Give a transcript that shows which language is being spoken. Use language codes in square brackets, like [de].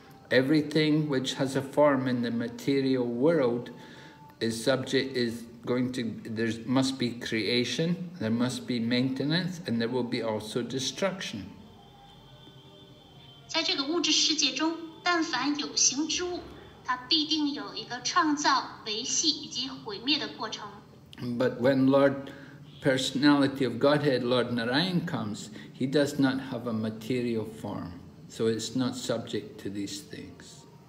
[en] Everything which has a form in the material world is subject, is going to, there must be creation, there must be maintenance, and there will be also destruction. [zh] 在这个物质世界中,但凡有形之物,它必定有一个创造,维系以及毁灭的过程。 [en] But when Lord Personality of Godhead, Lord Narayan comes, he does not have a material form, so it's not subject to these things.